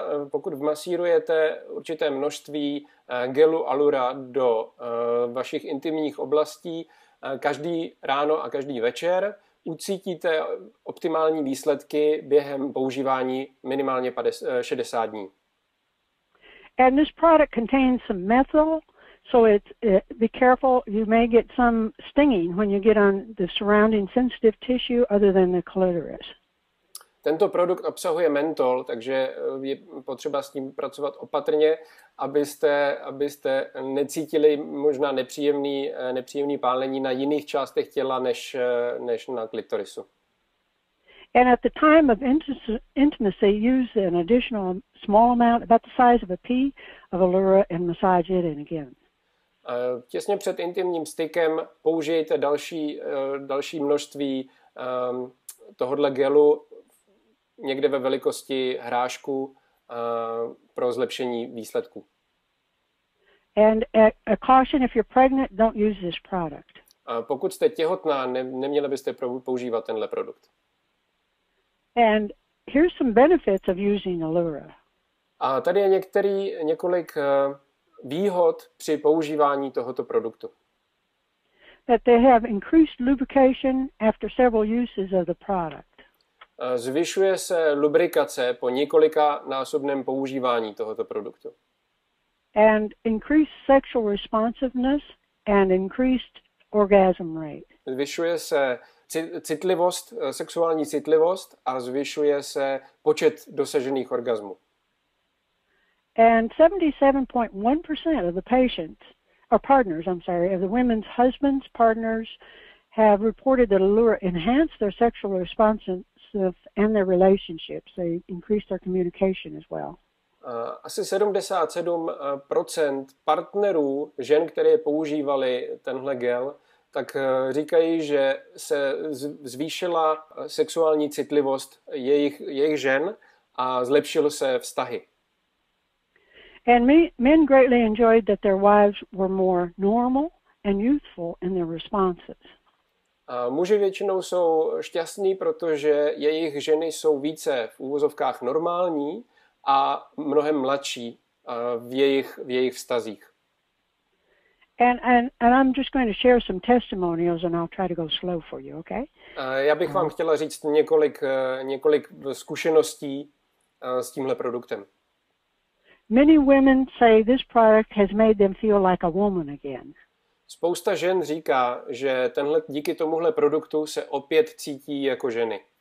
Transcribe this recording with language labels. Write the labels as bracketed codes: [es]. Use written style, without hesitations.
[cs] Pokud vmasírujete určité množství gelu Allura do vašich intimních oblastí každý ráno a každý večer, ucítíte optimální výsledky během používání minimálně 60 dní. [en] And this product contains some methyl, so be careful, you may get some stinging when you get on the surrounding sensitive tissue other than the clitoris. [cs] Tento produkt obsahuje mentol, takže je potřeba s ním pracovat opatrně, abyste necítili možná nepříjemný pálení na jiných částech těla než na klitorisu. [en] And at the time of intimacy, use an additional small amount, about the size of a pea, of Allura and massage it in again. [cs] Těsně před intimním stykem použijte další množství tohodle gelu někde ve velikosti hrášku pro zlepšení výsledku. [en] And a caution, if you're pregnant, don't use this product. [cs] Pokud jste těhotná, neměli byste používat tenhle produkt. [en] And here's some benefits of using Allura. [cs] A tady je několik výhod při používání tohoto produktu. [en] That they have increased lubrication after several uses of the product. [cs] Zvyšuje se lubrikace po několika násobném používání tohoto produktu. [en] And increased sexual responsiveness and increased orgasm rate. [cs] Zvyšuje se citlivost, sexuální citlivost a zvyšuje se počet dosažených orgazmů. [en] And 77.1% of the patients, or partners, I'm sorry, of the women's husbands, partners, have reported that Allura enhanced their sexual responsiveness and their relationships. They increased their communication as well. [cs] Asi 77% partnerů, žen, které používali tenhle gel, tak říkají, že se zvýšila sexuální citlivost jejich žen a zlepšily se vztahy. [en] And men greatly enjoyed that their wives were more normal and youthful in their responses. [cs] Muži většinou jsou šťastní, protože jejich ženy jsou více v úvozovkách normální a mnohem mladší v jejich vztazích. [en] And I'm just going to share some testimonials and I'll try to go slow for you, okay? [cs] Já bych vám chtěla říct několik zkušeností s tímhle produktem. [en] Many women say this product has made them feel like a woman again. [cs] Spousta žen říká, že díky tomuhle produktu se opět cítí jako ženy.